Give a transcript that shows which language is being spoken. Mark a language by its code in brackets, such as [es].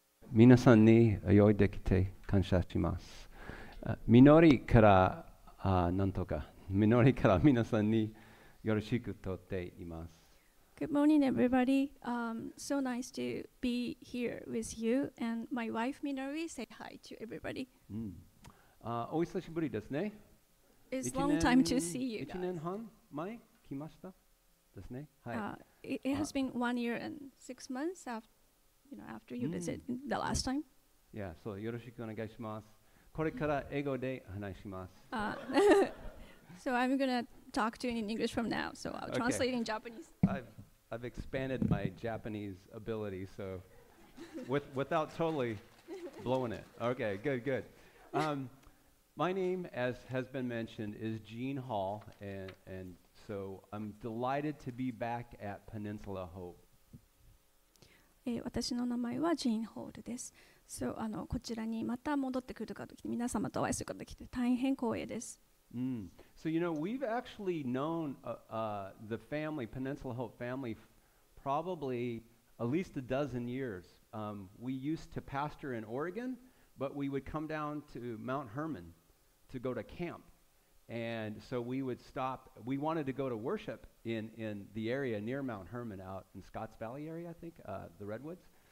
[ja] 皆さんにおいできて感謝します。みのりから、なんとか、みのりから皆さんによろしくとっています。 [en] Good morning, everybody. So nice to be here with you and my wife, Minori. Say hi to everybody. [ja] お久しぶりですね。 [en] It's a long time to see you guys. [ja] 1年半前来ましたですね。はい。 [en] It has been 1 year and 6 months after you visited the last time. Yeah, so [ja] よろしくお願いします。これから英語で話します。 [en] So I'm going to talk to you in English from now, so I'll translate in Japanese. I've expanded my Japanese ability, so without totally blowing it. Okay, good. My name, as has been mentioned, is Gene Hall, and so I'm delighted to be back at Peninsula Hope. [ja] 私の名前はジーン・ホールです。So, こちらにまた戻ってくるかと聞いて、皆様とお会いすることができて大変光栄です。 [en] So, you know, we've actually known the family, Peninsula Hope family, probably at least a dozen years. We used to pastor in Oregon, but we would come down to Mount Hermon to go to camp. And so we would stop, we wanted to go to worship in the area near Mount Hermon out in Scotts Valley area, I think, the Redwoods.